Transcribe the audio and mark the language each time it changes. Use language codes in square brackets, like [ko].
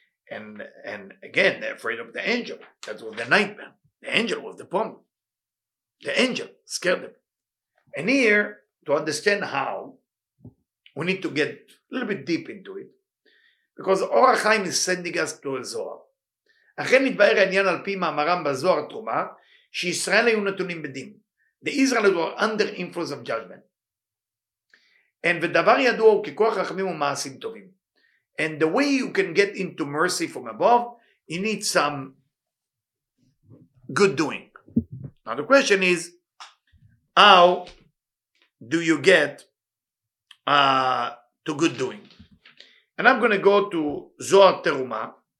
[en] And again, they're afraid of the angel. That was the nightmare. The angel was the problem. The angel scared them. And here, to understand how, we need to get a little bit deep into it. Because Or HaChaim is sending us to a Zohar. [he] אכן נתבהר העניין על פי מאמרם בזוהר תרומה, שישראל היו נתונים בדין. [en] The Israelites were under influence of judgment. And [he] ודבר ידוע הוא ככוח רחמים ומעשים טובים. [en] And the way you can get into mercy from above, you need some good doing. Now the question is, how do you get to good doing? And I'm going to go to Zohar Terumah.